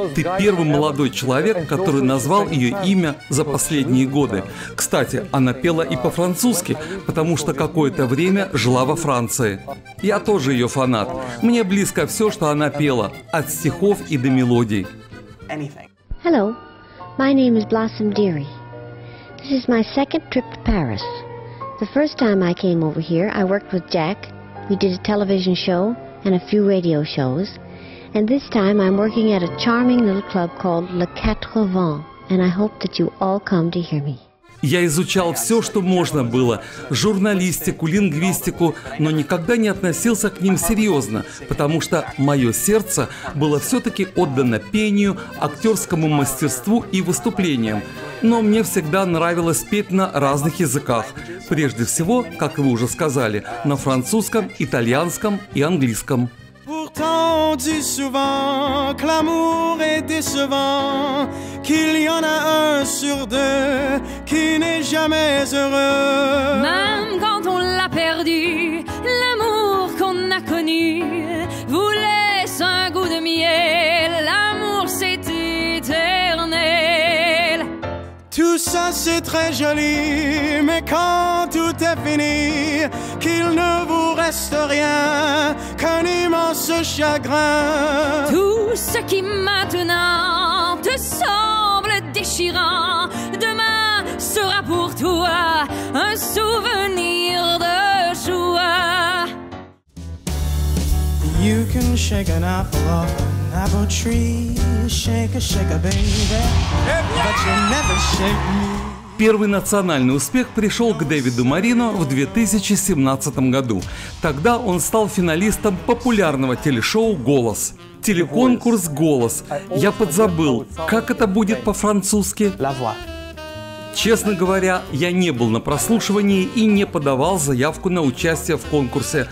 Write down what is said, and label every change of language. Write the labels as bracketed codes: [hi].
[ru] Ты первый молодой человек, который назвал ее имя за последние годы. Кстати, она пела и по-французски, потому что какое-то время жила во Франции. Я тоже ее фанат. Мне близко все, что она пела, от стихов и до мелодий. [en] Hello, my name is Blossom Dearie. This is my second trip to Paris. The first time I came over here, I worked with Jack. We did a television show and a few radio shows. And this time I'm working at a charming little club called Le Quatre Vents, and I hope that you all come to hear me. [ru] Я изучал все, что можно было – журналистику, лингвистику, но никогда не относился к ним серьезно, потому что мое сердце было все-таки отдано пению, актерскому мастерству и выступлениям. Но мне всегда нравилось петь на разных языках. Прежде всего, как вы уже сказали, на французском, итальянском и английском. [fr] Pourtant, on dit souvent que l'amour est décevant, qu'il y en a un sur deux qui n'est jamais heureux. Même quand on l'a perdu, l'amour qu'on a connu vous laisse un goût de miel. L'amour c'est éternel. Tout ça c'est très joli, mais quand tout est fini, qu'il ne vous reste rien qu'un immense chagrin. Tout ce qui maintenant te semble déchirant, demain sera pour toi un souvenir de joie. [en] You can shake an apple off an apple tree, shake a shaker baby, but you never shake me. [ru] Первый национальный успех пришел к Дэвиду Марино в 2017 году. Тогда он стал финалистом популярного телешоу «Голос». Телеконкурс «Голос». Я подзабыл, как это будет по-французски. Честно говоря, я не был на прослушивании и не подавал заявку на участие в конкурсе.